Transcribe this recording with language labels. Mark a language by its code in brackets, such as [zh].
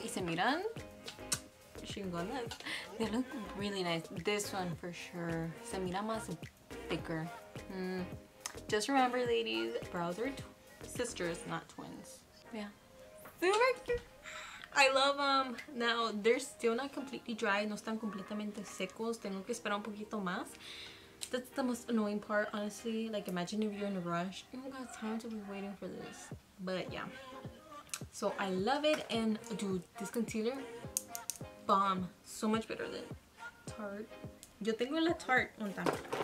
[es] Y se miran. [en] They look really nice. This one for sure. [es] Se mira más [en] thicker. Just remember, ladies, brows are sisters, not twins. Yeah. Super cute. I love them. Now, they're still not completely dry. [es] No están completamente secos. Tengo que esperar un poquito más. [en] That's the most annoying part, honestly. Like, imagine if you're in a rush. You don't got time to be waiting for this. But yeah. So, I love it. And, dude, this concealer. Bomb. So much better than Tarte. [es] Yo tengo la [en] Tarte on top.